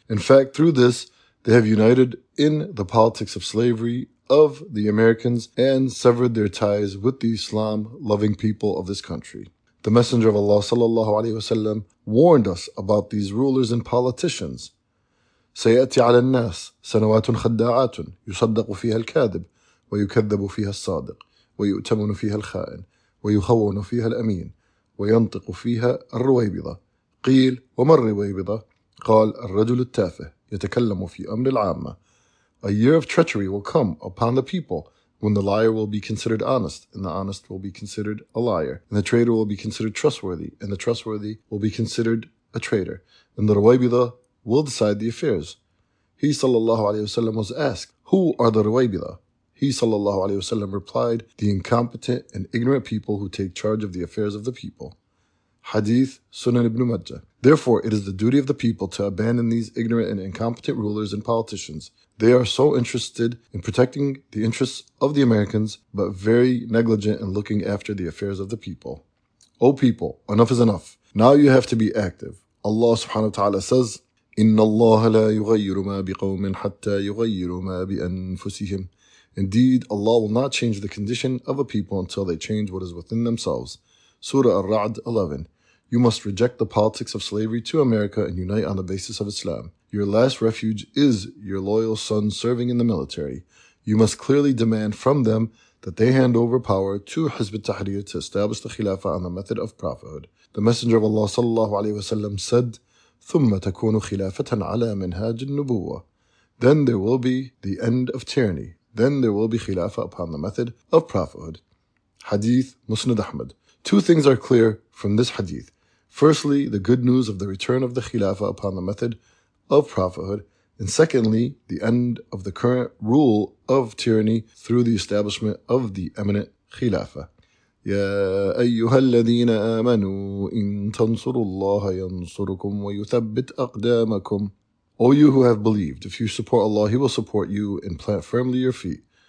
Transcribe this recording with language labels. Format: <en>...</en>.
<en>In fact, through this, they have united in the politics of slavery of the Americans and severed their ties with the Islam-loving people of this country. The Messenger of Allah sallallahu alaihi wasallam warned us about these rulers and politicians.</en> <ar>سيأتي على الناس سنوات خداعات يصدق فيها الكاذب ويكذب فيها الصادق ويؤتمن فيها الخائن ويخون فيها الأمين وينطق فيها الرويبضة. قيل وما الرويبضة؟ قال الرجل التافه يتكلم في أمر العامة.</ar> <en>A year of treachery will come upon the people, when the liar will be considered honest, and the honest will be considered a liar, and the traitor will be considered trustworthy, and the trustworthy will be considered a traitor, and the Ruwaybida will decide the affairs. He sallallahu alayhi wa sallam was asked, who are the Ruwaybida? He sallallahu alayhi wa sallam replied, the incompetent and ignorant people who take charge of the affairs of the people. Hadith Sunan ibn Majah. Therefore, it is the duty of the people to abandon these ignorant and incompetent rulers and politicians. They are so interested in protecting the interests of the Americans, but very negligent in looking after the affairs of the people. O people, enough is enough. Now you have to be active. Allah subhanahu wa ta'ala says,</en> <ar>إِنَّ اللَّهَ لَا يُغَيِّرُ مَا بِقَوْمٍ حَتَّى يُغَيِّرُ مَا بِأَنفُسِهِمْ.</ar> <en>Indeed, Allah will not change the condition of a people until they change what is within themselves. Surah Ar-Ra'd 11. You must reject the politics of slavery to America and unite on the basis of Islam. Your last refuge is your loyal sons serving in the military. You must clearly demand from them that they hand over power to Hizb Tahrir to establish the Khilafah on the method of prophethood. The Messenger of Allah sallallahu alaihi wasallam said,</en> <ar>ثُمَّ تَكُونُ خِلَافَةً عَلَى مِنْهَاجِ النُّبُوَّةِ.</ar> <en>Then there will be the end of tyranny. Then there will be khilafah upon the method of prophethood. Hadith Musnad Ahmad. Two things are clear from this hadith. Firstly, the good news of the return of the khilafah upon the method of prophethood. And secondly, the end of the current rule of tyranny through the establishment of the eminent khilafah.</en> <ar>يا أيها الذين آمنوا إن تنصروا الله ينصركم ويثبت أقدامكم.</ar> <en>O you who have believed, if you support Allah, He will support you and plant firmly your feet.</en>